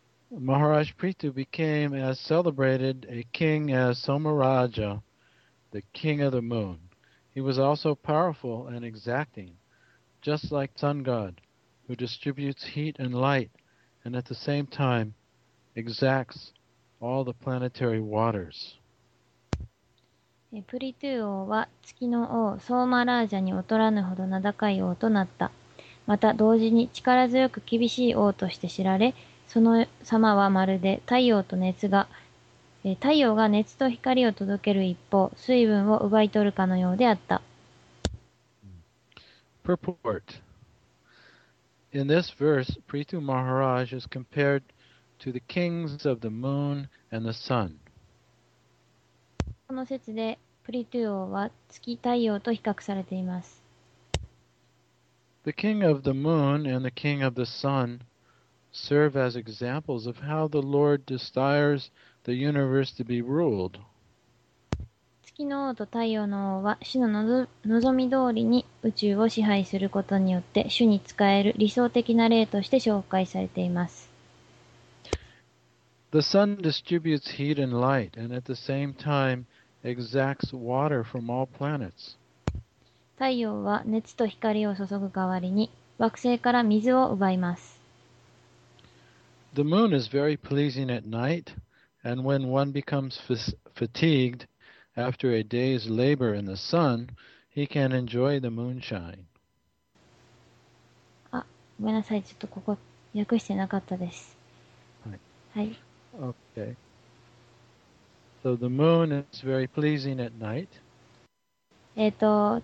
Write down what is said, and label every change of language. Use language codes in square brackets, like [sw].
[en] Maharaj Prithu became as celebrated a king as Somaraja, the king of the moon. He was also powerful and exacting, just like sun god, who distributes heat and light and at the same time exacts all the planetary waters. [ja] プリトゥ王は月の王ソーマラージャに劣らぬほど名高い王となった。また同時に力強く厳しい王として知られ、その様はまるで太陽が熱と光を届ける一方、水分を奪い取るかのようであった。 [en] Purport. In this verse, Prithu Maharaj is compared to the kings of the moon and the sun. [ja] この説でプリトゥ王は月太陽と比較されています。 [en] The king of the moon and the king of the sun serve as examples of how the Lord desires the universe to be ruled. [ja] 月の王と太陽の王は主の望み通りに宇宙を支配することによって主に仕える理想的な例として紹介されています。 [en] The sun distributes heat and light, and at the same time, exacts water from all planets. [ja] 太陽は熱と光を注ぐ代わりに惑星から水を奪います。 [en] The moon is very pleasing at night, and when one becomes fatigued After a day's labor in the sun, he can enjoy the moonshine. [ja] あ、ごめんなさい。ちょっとここ訳してなかったです。はい。はい。 [en] Okay. So the moon is very pleasing at night.